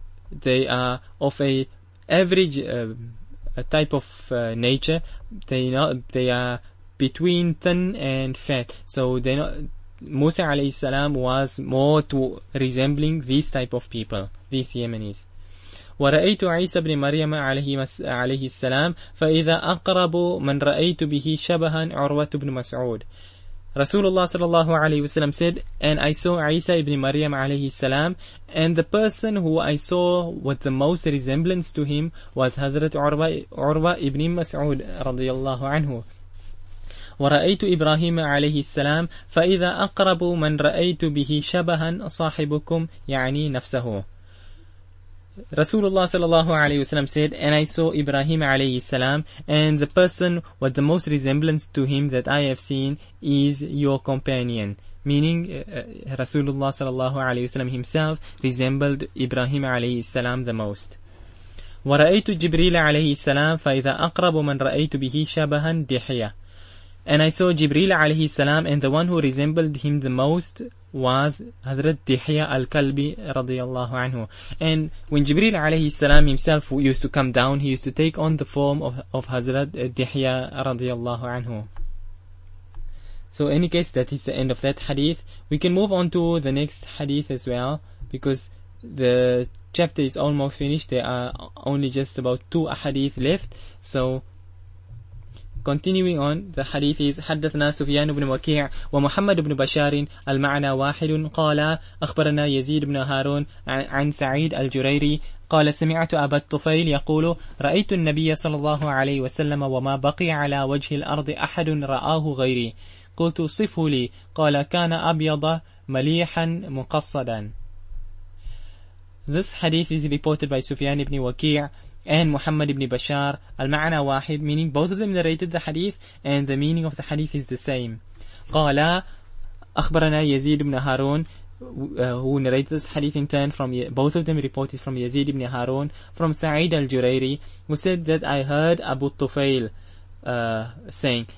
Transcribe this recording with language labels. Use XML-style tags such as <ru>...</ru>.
<en>They are of a average type of nature. They are between thin and fat. So they not, Musa alayhi salam was more to resembling these type of people, these Yemenis.</en> <ar>ورأيت عيسى بن مريم عليه السلام فإذا أقرب من رأيت به شبها عروة بن مسعود.</ar> <en>Rasulullah sallallahu alayhi wasallam said, and I saw Isa ibn Maryam alayhi salam, and the person who I saw with the most resemblance to him was Hazrat Urwa ibn Mas'ud radiyallahu anhu.</en> <ar>وَرَأَيْتُ إِبْرَاهِيمَ عَلَيْهِ السَّلَامِ فَإِذَا أَقْرَبُ مَنْ رَأَيْتُ بِهِ شَبَهًا صَاحِبُكُمْ يعني نفسه.</ar> <en>Rasulullah sallallahu alayhi wasallam said, and I saw Ibrahim alayhi salam, and the person with the most resemblance to him that I have seen is your companion. Meaning, Rasulullah sallallahu alayhi wasallam himself resembled Ibrahim alayhi salam the most.</en> <ar>ورأيت جبريل alayhi salam فإذا أقرب من رأيت به شبها دحية.</ar> <en>And I saw Jibril alayhi salam, and the one who resembled him the most was Hazrat Dihya al-Kalbi radiyallahu anhu. And when Jibril alayhi salam himself used to come down, he used to take on the form of Hazrat Dihya radiyallahu anhu. So in any case, that is the end of that hadith. We can move on to the next hadith as well, because the chapter is almost finished. There are only just about two hadith left. So</en> <ar>Continuing on, the hadith is حدثنا سفيان بن وكيع ومحمد بن بشار المعنى واحد قال أخبرنا يزيد بن هارون عن سعيد الجريري قال سمعت أبا الطفيل يقول رأيت النبي صلى الله عليه وسلم وما بقي على وجه الأرض أحد رآه غيري قلت صفه لي قال كان أبيض مليحا مقصدا.</ar> <en>This hadith is reported by Sufyan ibn Waqi' and Muhammad ibn Bashar. Al-ma'na wahid, meaning both of them narrated the hadith and the meaning of the hadith is the same. Qala, akhbarana Yazid ibn Harun, who narrated this hadith in turn from, both of them reported from Yazid ibn Harun, from Sa'id al-Jurayri, who said that I heard Abu Tufail saying.</en>